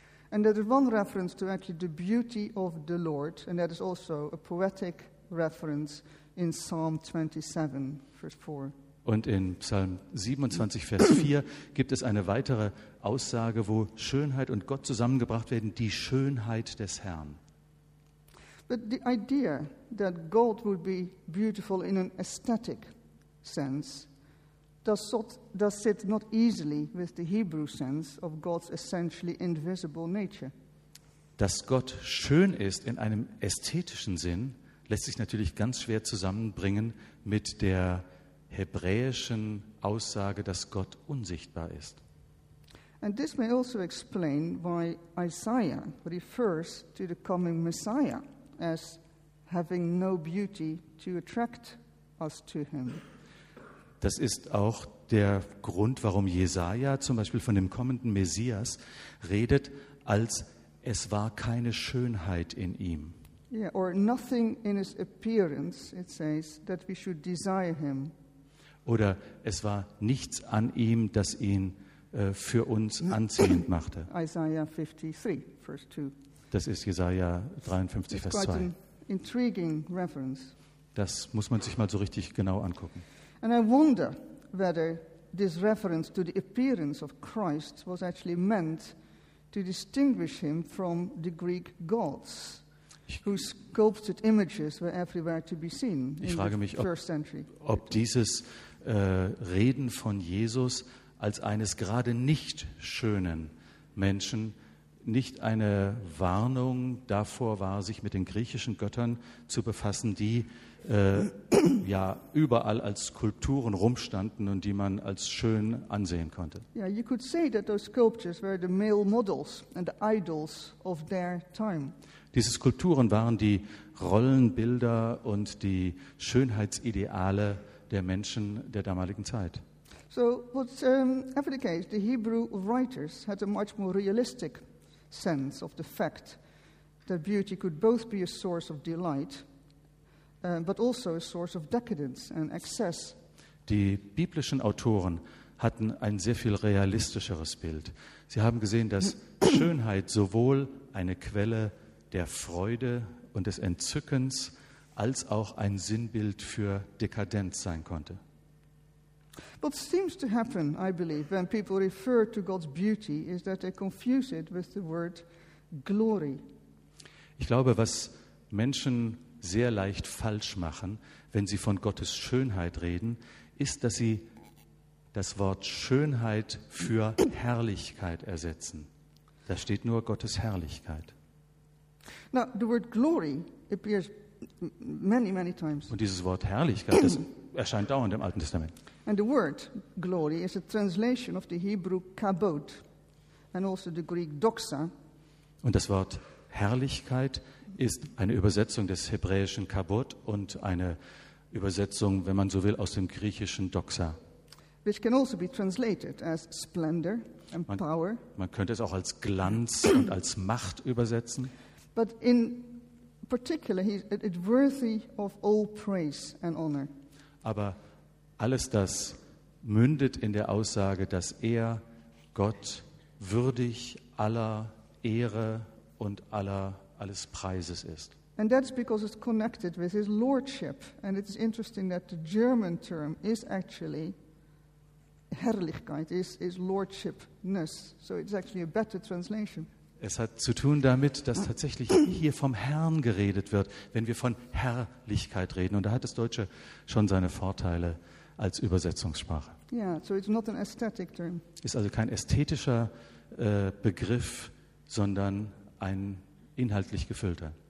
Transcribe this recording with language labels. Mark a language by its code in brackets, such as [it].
[en] And there is one reference to actually the beauty of the Lord, and that is also a poetic reference in Psalm 27, verse 4. [de] Und in Psalm 27, Vers 4 gibt es eine weitere Aussage, wo Schönheit und Gott zusammengebracht werden, die Schönheit des Herrn. [en] But the idea that God would be beautiful in an aesthetic sense does sit not easily with the Hebrew sense of God's essentially invisible nature. [de] Dass Gott schön ist in einem ästhetischen Sinn, lässt sich natürlich ganz schwer zusammenbringen mit der hebräischen Aussage, dass Gott unsichtbar ist. [en] And this may also explain why Isaiah refers to the coming Messiah as having no beauty to attract us to him. [de] Das ist auch der Grund, warum Jesaja zum Beispiel von dem kommenden Messias redet, als es war keine Schönheit in ihm. [en] Yeah, or nothing in his appearance, it says, that we should desire him. [de] Oder es war nichts an ihm, das ihn für uns anziehend machte. [en] Isaiah 53, verse 2. [de] Das ist Jesaja 53, [en] it's [de] Vers 2. [en] Quite an intriguing reference. [de] Das muss man sich mal so richtig genau angucken. [en] And I wonder whether this reference to the appearance of Christ was actually meant to distinguish him from the Greek gods, whose sculpted images were everywhere to be seen in the first century. [de] Ob dieses Reden von Jesus als eines gerade nicht schönen Menschen nicht eine Warnung davor war, sich mit den griechischen Göttern zu befassen, die ja überall als Skulpturen rumstanden und die man als schön ansehen konnte. [en] Yeah, you could say that those sculptures were the male models and the idols of their time. [de] Diese Skulpturen waren die Rollenbilder und die Schönheitsideale der Menschen der damaligen Zeit. [en] So, whatever the case, the Hebrew writers had a much more realistic sense of the fact that beauty could both be a source of delight but also a source of decadence and excess. [de] Die biblischen Autoren hatten ein sehr viel realistischeres Bild. Sie haben gesehen, dass Schönheit sowohl eine Quelle der Freude und des Entzückens als auch ein Sinnbild für Dekadenz sein konnte. [en] What seems to happen, I believe, when people refer to God's beauty is that they confuse it with the word glory. [de] Ich glaube, was Menschen sehr leicht falsch machen, wenn sie von Gottes Schönheit reden, ist, dass sie das Wort Schönheit für Herrlichkeit ersetzen. Da steht nur Gottes Herrlichkeit. [en] Now, the word glory appears many, many times. [de] Und dieses Wort Herrlichkeit, das erscheint dauernd im Alten Testament. [en] And the word glory is a translation of the Hebrew kabod and also the Greek doxa. [de] Und das Wort Herrlichkeit ist eine Übersetzung des hebräischen kabod und eine Übersetzung, wenn man so will, aus dem griechischen doxa. [en] Which can also be translated as splendor and power. [de] Man könnte es auch als Glanz und als Macht übersetzen. [en] But in particular, he's worthy of all praise and honor. [de] Aber alles das mündet in der Aussage, dass er Gott würdig aller Ehre und alles Preises ist. [en] And that's because it's connected with his lordship. And it's interesting that the German term is actually Herrlichkeit, is lordshipness. So it's actually a better translation. [de] Es hat zu tun damit, dass tatsächlich hier vom Herrn geredet wird, wenn wir von Herrlichkeit reden. Und da hat das Deutsche schon seine Vorteile als Übersetzungssprache. [en] Yeah, so it's not an aesthetic term. [de] Ist also kein ästhetischer Begriff, sondern ein inhaltlich gefüllter.